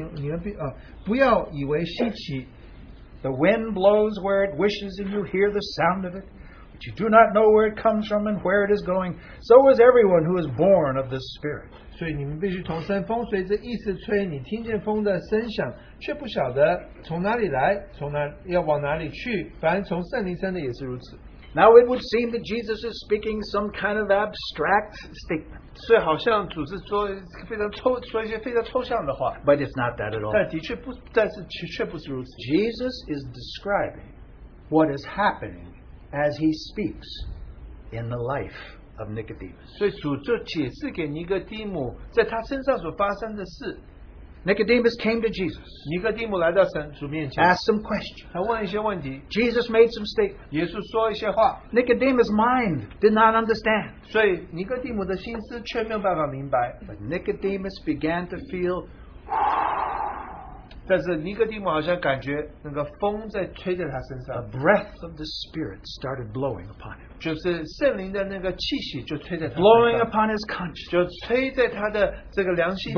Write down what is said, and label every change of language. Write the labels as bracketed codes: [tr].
[zh] 我说你们不要以为稀奇。 [en] The wind blows where it wishes and you hear the sound of it, but you do not know where it comes from and where it is going. So is everyone who is born of the Spirit. [zh] 所以你们必须同声风随着意思吹，你听见风的声响，却不晓得从哪里来，从哪要往哪里去。凡从圣灵生的也是如此。 [en] Now it would seem that Jesus is speaking some kind of abstract statement. [zh] 所以好像主是说一些非常抽象的话。 [en] But it's not that at all. [zh] 但的确不是如此。 [en] Jesus is describing what is happening as he speaks in the life of Nicodemus. [zh] 所以主就解释给尼哥底母在他身上所发生的事。 [en] Nicodemus came to Jesus. [zh] 尼哥底母来到神主面前, [en] asked some questions. [zh] 他问一些问题, [en] Jesus made some statements. [zh] 耶稣说一些话, [en] Nicodemus' mind did not understand. [zh] 所以尼哥底母的心思却没有办法明白, [en] but Nicodemus began to feel. [zh] 但是尼哥底母好像感觉那个风在吹在他身上, [en] a breath of the Spirit started blowing upon him. [zh] 就是圣灵的那个气息就吹在他身上, [en] blowing upon his conscience, [zh] 就吹在他的这个良心里,